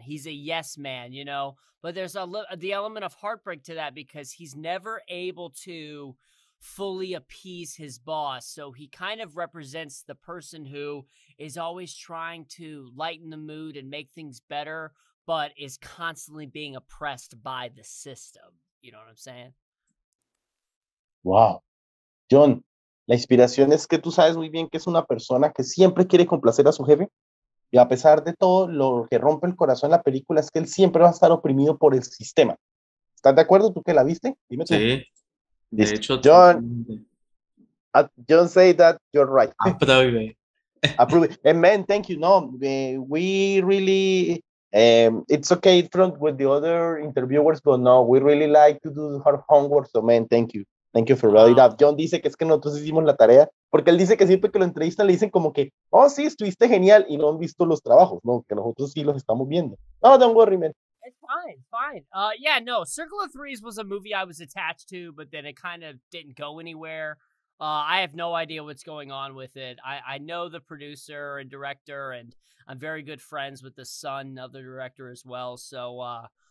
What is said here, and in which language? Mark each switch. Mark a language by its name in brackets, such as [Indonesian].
[English] He's a yes man, you know, but there's the element of heartbreak to that because he's never able to fully appease his boss. So he kind of represents the person who is always trying to lighten the mood and make things better, but is constantly being oppressed by the system. You know what I'm saying? Wow. John, [Spanish] La inspiración es que tú sabes muy bien que es una persona que siempre quiere complacer a su jefe. Y a pesar de todo, lo que rompe el corazón en la película es que él siempre va a estar oprimido por el sistema. ¿Estás de acuerdo tú que la viste? Dime tú. Sí. De hecho, [English] John. John, say that you're right. Approve. Approve. Amen. Thank you. No, we really. It's okay with the other interviewers, but no, we really like to do our homework. So, man, thank you. Thank you for writing up. [Spanish] John dice que es que nosotros hicimos la tarea, porque él dice que siempre que lo entrevistan le dicen como que, oh, sí, estuviste genial y no han visto los trabajos, ¿no? Que nosotros sí los estamos viendo. No, [English] don't worry, man. It's fine, fine. Yeah, no, Circle of Threes was a movie I was attached to, but then it kind of didn't go anywhere. I have no idea what's going on with it. I know the producer and director, and I'm very good friends with the son of the director as well, so...